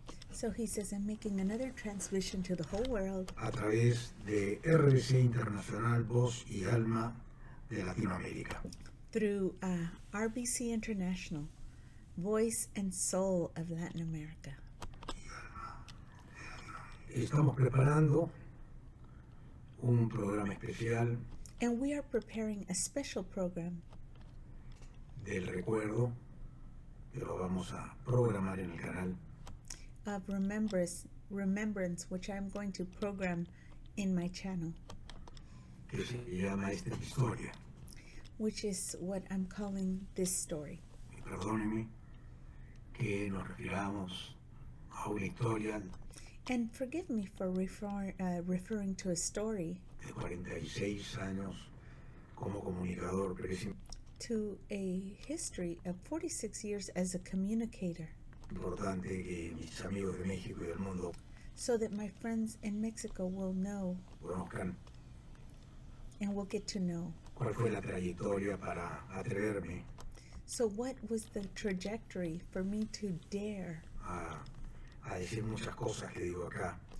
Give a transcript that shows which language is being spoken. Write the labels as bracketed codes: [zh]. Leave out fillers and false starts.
[en] So he says, I'm making another transmission to the whole world. [es] A través de RBC Internacional, voz y alma de Latinoamérica. [en] Through RBC International, voice and soul of Latin America. [es] Estamos preparando un programa especial. [en] And we are preparing a special program [es] del recuerdo que lo vamos a programar en el canal. [en] Of remembrance, which I'm going to program in my channel. [es] Que se llama esta historia. [en] Which is what I'm calling this story. [es] Y perdónenme que nos refiramos a una historia. [en] And forgive me for referring to a story. [es] De 46 años como comunicador, [en] to a history of 46 years as a communicator. [es] Importante que mis amigos de México y del mundo, [en] so that my friends in Mexico will know. [es] Conozcan, [en] and will get to know. [es] ¿Cuál fue la trayectoria para atreverme? [en] So what was the trajectory for me to dare? [es] A decir muchas cosas que digo acá.